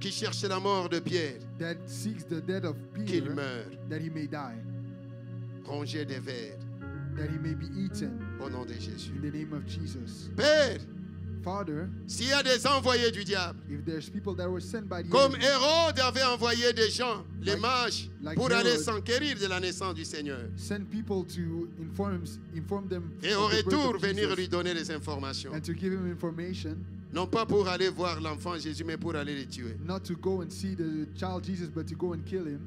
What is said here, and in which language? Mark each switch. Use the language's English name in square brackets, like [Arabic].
[French] qui cherche la mort de Pierre, [English] that seeks the death of Peter, [French] qu'il meure, [English] that he may die, [French] rongé des vers, [English] that he may be eaten, [French] au nom de Jésus, [English] in the name of Jesus. [French] Père, [English] Father, [French] s'il y a des envoyés du diable, [English] if there's people that were sent by the [French] comme Hérode avait envoyé des gens, les mages, pour aller s'enquérir de la naissance du Seigneur, [English] send people to inform them, [French] et au retour venir lui donner les informations, [English] and to give him information, [French] non pas pour aller voir l'enfant Jésus, mais pour aller le tuer. [English] Not to go and see the child Jesus, but to go and kill him.